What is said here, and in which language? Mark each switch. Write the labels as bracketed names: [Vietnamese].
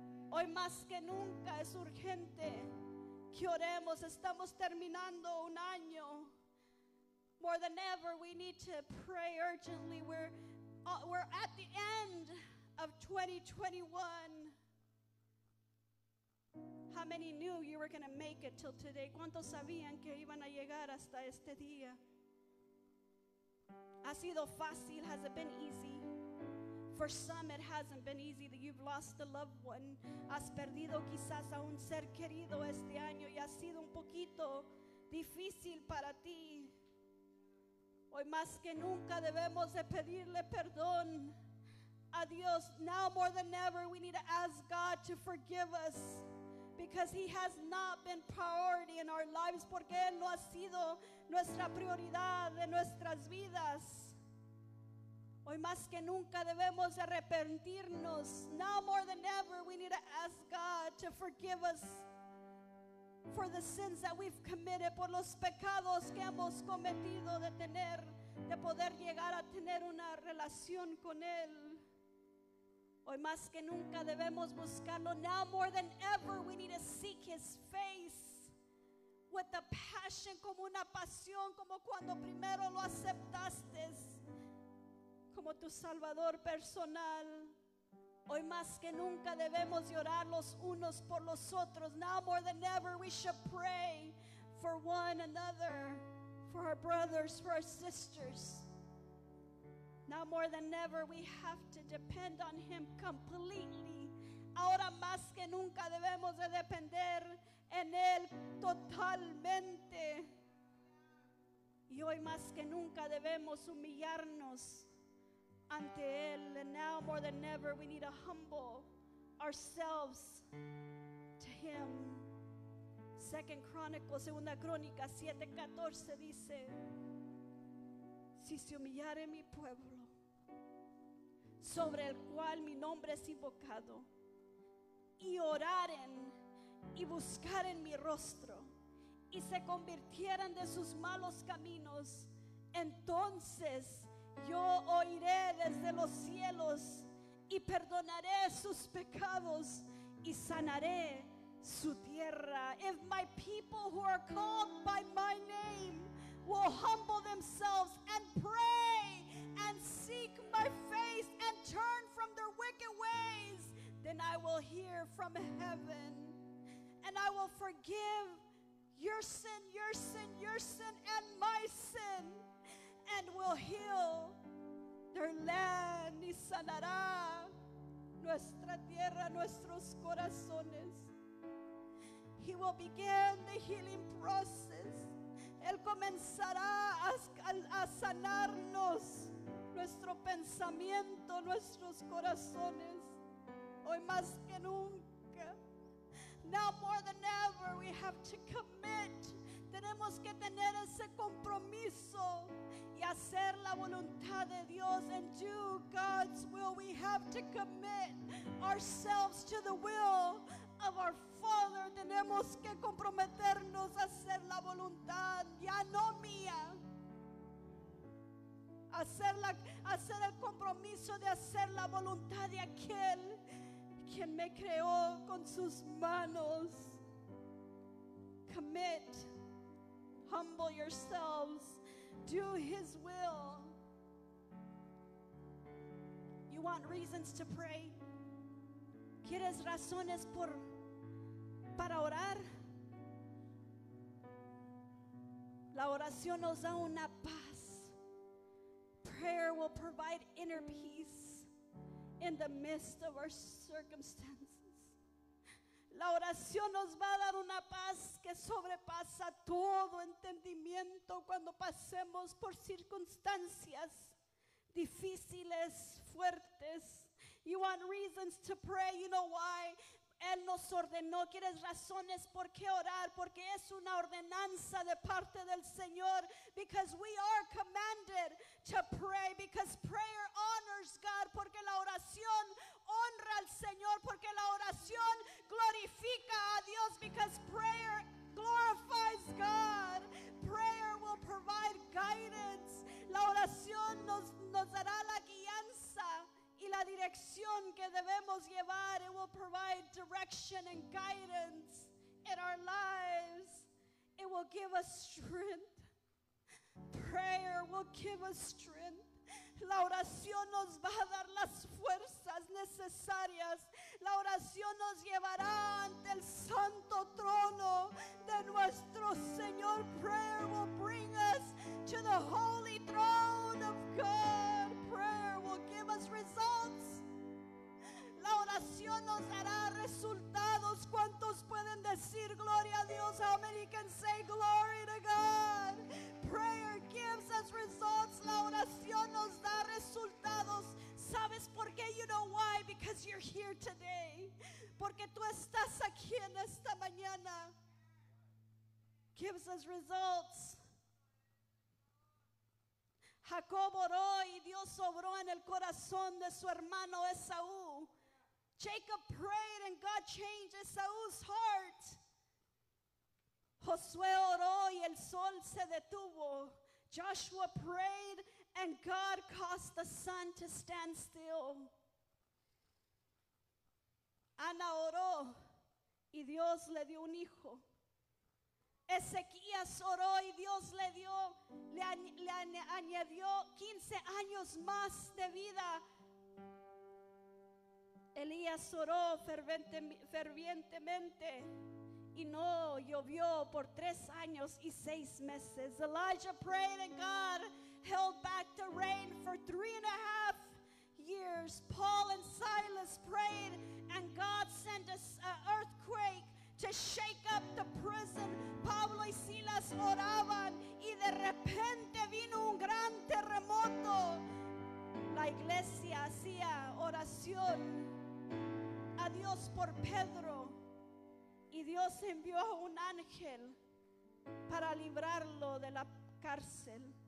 [Spanish] Hoy más que nunca es urgente que oremos. Estamos terminando un año. [English] More than ever, we need to pray urgently. We're at the end of 2021. How many knew you were going to make it till today? [Spanish] ¿Cuántos sabían que iban a llegar hasta este día? ¿Ha sido fácil? [English] ¿Has it been easy? For some, it hasn't been easy. You've lost a loved one. [Spanish] ¿Has perdido quizás a un ser querido este año? ¿Y ha sido un poquito difícil para ti? Hoy más que nunca debemos de pedirle perdón a Dios. [English] Now more than ever, we need to ask God to forgive us. Because he has not been priority in our lives. [Spanish] Porque él no ha sido nuestra prioridad en nuestras vidas. Hoy más que nunca debemos arrepentirnos. [English] Now more than ever we need to ask God to forgive us for the sins that we've committed. [Spanish] Por los pecados que hemos cometido de poder llegar a tener una relación con él. Hoy más que nunca debemos buscarlo. [English] Now more than ever, we need to seek his face with a passion, [Spanish] como una pasión, como cuando primero lo aceptaste como tu salvador personal. Hoy más que nunca debemos llorar los unos por los otros. [English] Now more than ever we should pray for one another, for our brothers, for our sisters. Now more than ever we have to depend on Him completely. [Spanish] Ahora más que nunca debemos de depender en Él totalmente. Y hoy más que nunca debemos humillarnos ante Él. [English] And now more than ever we need to humble ourselves to Him. [Spanish] 2 Chronicles, 2 Crónicas 7:14 dice, si se humillare mi pueblo, sobre el cual mi nombre es invocado, y oraren y buscaren mi rostro, y se convirtieran de sus malos caminos, entonces yo oiré desde los cielos y perdonaré sus pecados y sanaré su tierra. [English] If my people who are called by my name will humble themselves and pray and seek my face and turn from their wicked ways, then I will hear from heaven and I will forgive your sin and my sin, and will heal their land. [Spanish] Y sanará nuestra tierra, nuestros corazones. [English] He will begin the healing process. [Spanish] Él comenzará a sanarnos nuestro pensamiento, nuestros corazones. Hoy más que nunca. [English] Now more than ever we have to commit. [Spanish] Tenemos que tener ese compromiso y hacer la voluntad de Dios. [English] And do God's will. We have to commit ourselves to the will of our Father. [Spanish] Tenemos que comprometernos a hacer la voluntad, ya no mía. Hacer el compromiso de hacer la voluntad de aquel quien me creó con sus manos. [English] Commit, humble yourselves, do His will. You want reasons to pray? [Spanish] ¿Quieres razones para orar? La oración nos da una paz. [English] Prayer will provide inner peace in the midst of our circumstances. [Spanish] La oración nos va a dar una paz que sobrepasa todo entendimiento cuando pasemos por circunstancias difíciles, fuertes. [English] You want reasons to pray, you know why? [Spanish] Él nos ordenó. ¿Quieres razones por qué orar? Porque es una ordenanza de parte del Señor. [English] Because we are commanded to pray. Because prayer honors God. [Spanish] Porque la oración honra al Señor. Porque la oración glorifica a Dios. [English] Because prayer glorifies God. Prayer will provide guidance. [Spanish] La oración nos dará la guianza y la dirección que debemos llevar. [English] It will provide direction and guidance in our lives. It will give us strength. Prayer will give us strength. [Spanish] La oración nos va a dar las fuerzas necesarias. La oración nos llevará ante el santo trono de nuestro Señor. [English] Prayer will bring us to the holy throne of God. Prayer will give us results. [Spanish] La oración nos dará resultados. ¿Cuántos pueden decir gloria a Dios? [English] How many can say glory to God? Prayer gives us results. [Spanish] La oración nos da resultados. ¿Sabes por qué? [English] You know why? Because you're here today. [Spanish] Porque tú estás aquí en esta mañana. [English] Gives us results. [Spanish] Jacob oró y Dios obró en el corazón de su hermano Esaú. [English] Jacob prayed and God changed Esau's heart. [Spanish] Josué oró y el sol se detuvo. [English] Joshua prayed and God caused the sun to stand still. [Spanish] Ana oró y Dios le dio un hijo. Ezequías oró y Dios le añadió 15 años más de vida. Elías oró fervientemente y no llovió por 3 años y 6 meses. [English] Elijah prayed and God held back the rain for 3.5 years. Paul and Silas prayed and God sent an earthquake to shake up the prison. [Spanish] Pablo y Silas oraban y de repente vino un gran terremoto. La iglesia hacía oración a Dios por Pedro y Dios envió un ángel para librarlo de la cárcel.